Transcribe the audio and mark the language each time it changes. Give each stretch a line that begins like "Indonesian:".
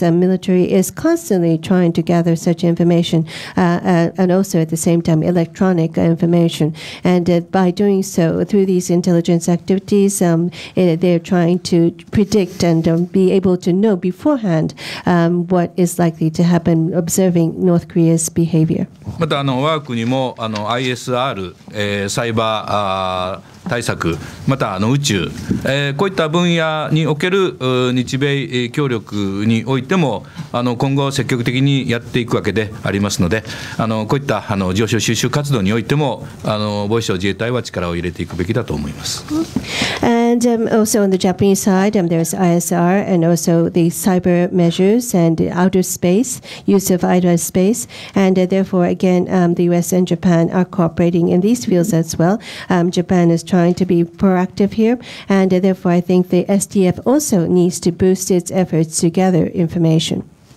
English: military is constantly trying to gather suchinformation and also at the same time electronic information, and by doing so through these intelligence activities they're trying to predict and be able to know beforehand what is likely to happen observing North Korea's behavior.
Japanese: また我が国も ISR、サイバー、対策、また宇宙、こういった分野における日米協力においても今後積極的にやっていくわけでありますので、こういった情報収集活動においても防衛省自衛隊は力を入れていくべきだと思います。
English: And also on the Japanese side, there's ISR and also the cyber measures and outer space, use of outer space. And therefore, again, the U.S. and Japan are cooperating in these fields as well. Japan is trying to be proactive here. And therefore, I think the SDF also needs to boost its efforts to gather information.